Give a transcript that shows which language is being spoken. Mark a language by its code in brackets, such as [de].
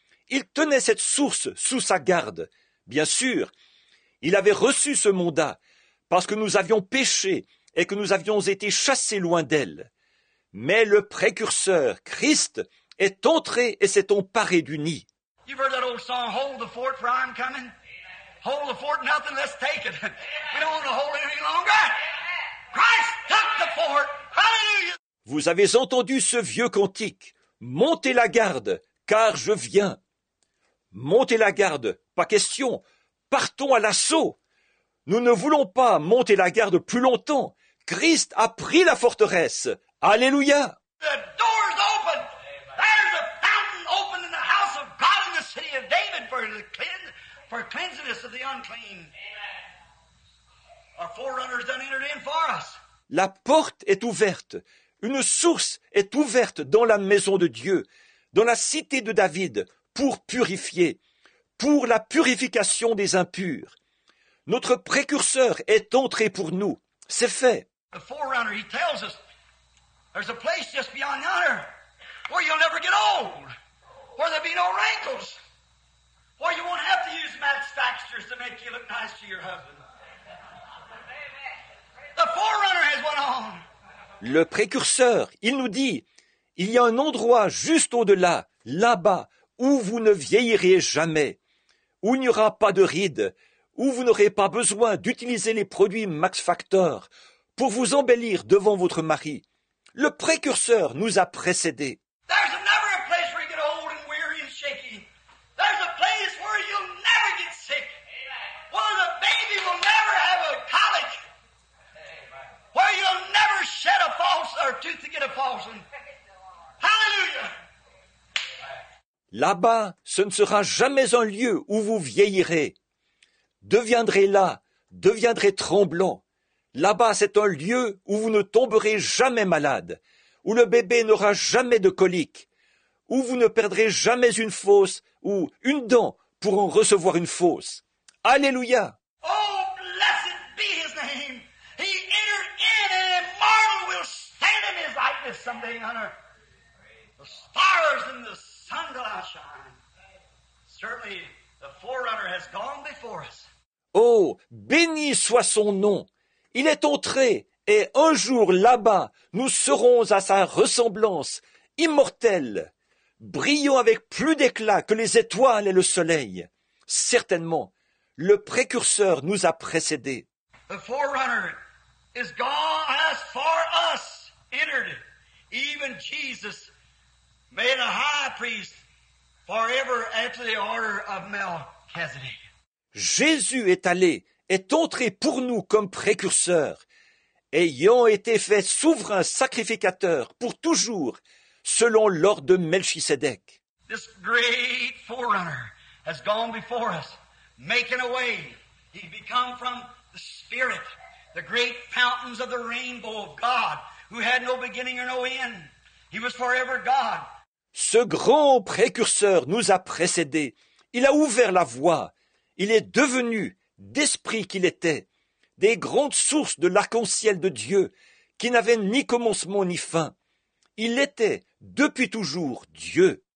[fr] Il tenait cette source sous sa garde. Bien sûr, il avait reçu ce mandat parce que nous avions péché et que nous avions été chassés loin d'elle. Mais le précurseur, Christ, est entré et s'est emparé du nid. [en] You've heard that old song, "Hold the fort, for I'm coming." Hold the fort, nothing, let's take it. We don't want to hold it any longer. Christ took the fort. Hallelujah. [fr] Vous avez entendu ce vieux cantique. Montez la garde, car je viens. Montez la garde, pas question. Partons à l'assaut. Nous ne voulons pas monter la garde plus longtemps. Christ a pris la forteresse. Alléluia. [en] The door's open. There's a fountain open in the house of God in the city of David for the cleanliness of the unclean. Our forerunners done entered in for us. [fr] La porte est ouverte. Une source est ouverte dans la maison de Dieu, dans la cité de David, pour purifier, pour la purification des impurs. Notre précurseur est entré pour nous. C'est fait. [en] The forerunner, he tells us, there's a place just beyond yonder where you'll never get old, where there'll be no wrinkles, where you won't have to use Max Factors to make you look nice to your husband. The forerunner has went on. [fr] Le précurseur, il nous dit, il y a un endroit juste au-delà, là-bas, où vous ne vieillirez jamais, où il n'y aura pas de rides, où vous n'aurez pas besoin d'utiliser les produits Max Factor pour vous embellir devant votre mari. Le précurseur nous a précédés. [en] There's never a place where you get old and weary and shaky. There's a place where you'll never get sick. Where the baby will never have a colic. Where you'll never shed a false or tooth to get a false. Hallelujah. [fr] Là-bas, ce ne sera jamais un lieu où vous vieillirez. Deviendrez là, deviendrez tremblant. Là-bas, c'est un lieu où vous ne tomberez jamais malade, où le bébé n'aura jamais de colique, où vous ne perdrez jamais une fosse ou une dent pour en recevoir une fosse. Alléluia. [en] Oh, blessed be his name. He entered in and immortal will stand in his likeness someday on earth. The stars and the sun will outshine. Certainly, the forerunner has gone before us. [fr] Oh, béni soit son nom. Il est entré, et un jour là-bas, nous serons à sa ressemblance, immortels, brillant avec plus d'éclat que les étoiles et le soleil. Certainement, le précurseur nous a précédés. [en] The forerunner is gone as for us entered. Even Jesus made a high priest forever after the order of Melchizedek. [fr] Jésus est allé, est entré pour nous comme précurseur, ayant été fait souverain sacrificateur pour toujours, selon l'ordre de Melchisédek. [en] This great forerunner has gone before us, making a way. He become from the Spirit, the great fountains of the rainbow of God, who had no beginning or no end. He was forever God. [fr] Ce grand précurseur nous a précédés. Il a ouvert la voie. Il est devenu d'esprit qu'il était, des grandes sources de l'arc-en-ciel de Dieu, qui n'avaient ni commencement ni fin. Il était, depuis toujours, Dieu.